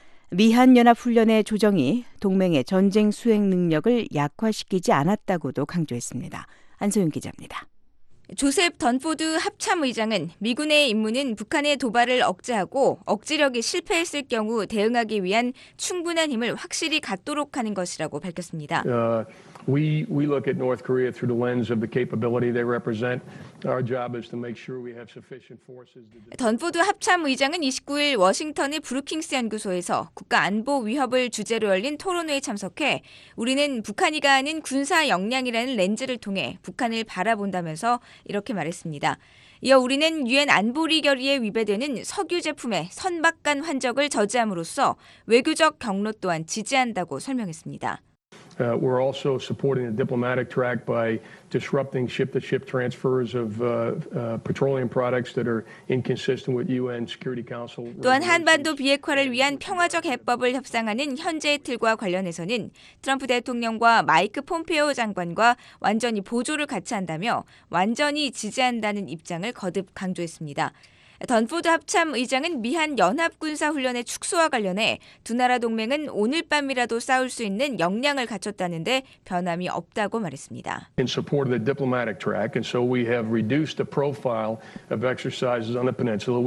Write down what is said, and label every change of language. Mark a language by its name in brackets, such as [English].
[Korean] 미한연합훈련의 조정이 동맹의 전쟁 수행 능력을 약화시키지 않았다고도 강조했습니다. 안소윤 기자입니다. 조셉 던포드 합참의장은 미군의 임무는 북한의 도발을 억제하고 억지력이 실패했을 경우 대응하기 위한 충분한 힘을 확실히 갖도록 하는 것이라고 밝혔습니다. [English] We look at North Korea through the lens of the capability they represent. Our job is to make sure we have sufficient forces. [Korean] 던포드 합참의장은 29일 워싱턴의 브루킹스 연구소에서 국가 안보 위협을 주제로 열린 토론회에 참석해 우리는 북한이 가하는 군사 역량이라는 렌즈를 통해 북한을 바라본다면서 이렇게 말했습니다. 이어 우리는 유엔 안보리 결의에 위배되는 석유 제품의 선박 간 환적을 저지함으로써 외교적 경로 또한 지지한다고 설명했습니다. [English] We're also supporting the diplomatic track by disrupting ship-to-ship transfers of petroleum products that are inconsistent with UN Security Council. [Korean] 또한 한반도 비핵화를 위한 평화적 해법을 협상하는 현재의 틀과 관련해서는 트럼프 대통령과 마이크 폼페오 장관과 완전히 보조를 같이 한다며 완전히 지지한다는 입장을 거듭 강조했습니다. 던포드 합참 의장은 미한 연합군사훈련의 축소와 관련해 두 나라 동맹은 오늘 밤이라도 싸울 수 있는 역량을 갖췄다는데 변함이 없다고 말했습니다. [English] In support of the diplomatic track, and so we have reduced the profile of exercises on the peninsula.